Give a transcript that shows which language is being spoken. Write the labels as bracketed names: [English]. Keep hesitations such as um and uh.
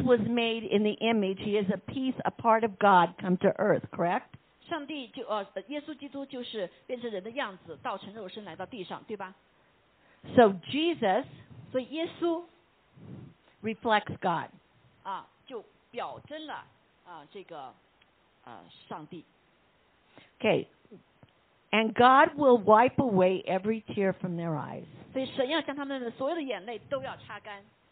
[English] was made in the image, he is a piece, a part of God come to earth, correct? [Chinese] 上帝就呃，耶稣基督就是变成人的样子，道成肉身来到地上，对吧 [English] ？So Jesus [Chinese] so 所以耶稣 [English] reflects God [Chinese] 啊，就表征了啊这个啊上帝。 [English] Okay, uh, uh uh and God will wipe away every tear from their eyes. [Chinese] 所以神要将他们的所有的眼泪都要擦干。